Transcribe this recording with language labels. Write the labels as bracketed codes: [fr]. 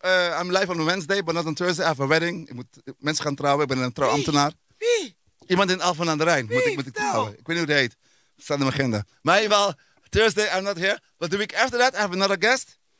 [en] I'm live on Wednesday, but not on Thursday. I have a wedding. [nl] Mensen gaan trouwen. Ik ben een trouwambtenaar. Wie? Iemand in Alphen aan de Rijn. Moet ik trouwen. Ik weet niet hoe het heet. Het staat in mijn agenda. Maar in ieder geval, [en] Thursday, I'm not here. But the week after that, I have another guest.